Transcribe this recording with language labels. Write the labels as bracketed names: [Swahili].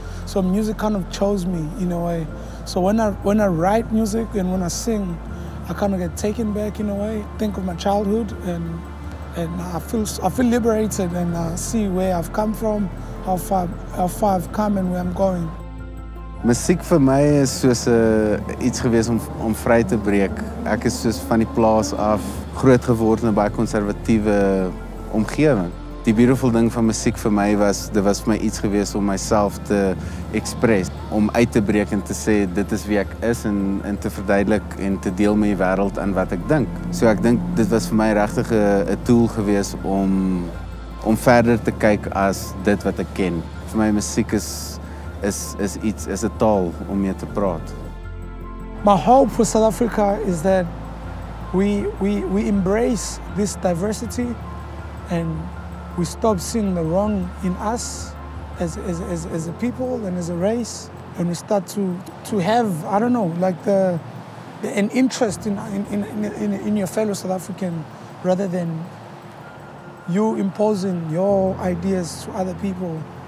[English] So music kind of chose me in a way. So when I write music and when I sing, I kind of get taken back in a way. Think of my childhood and I feel liberated and I see where I've come from, how far I've come and where I'm going. [Afrikaans] Musiek vir my is soos 'n iets gewees om vry te breek. Ek is soos van die plaas af groot geword in 'n baie konservatiewe omgewing. Die beautiful ding van musiek vir my was, dit was vir my iets gewees om myself te express, om uit te breek en te sê dit is wie ek is en te verduidelik en te deel met die wêreld aan wat ek dink. So ek dink dit was vir my regtig 'n tool gewees om verder te kyk as dit wat ek ken. Vir my musiek is 'n taal om mee te praat. [English] My hope for South Africa is that we embrace this diversity and we stop seeing the wrong in us as a people and as a race, and we start to have, I don't know, like an interest in your fellow South African, rather than you imposing your ideas to other people.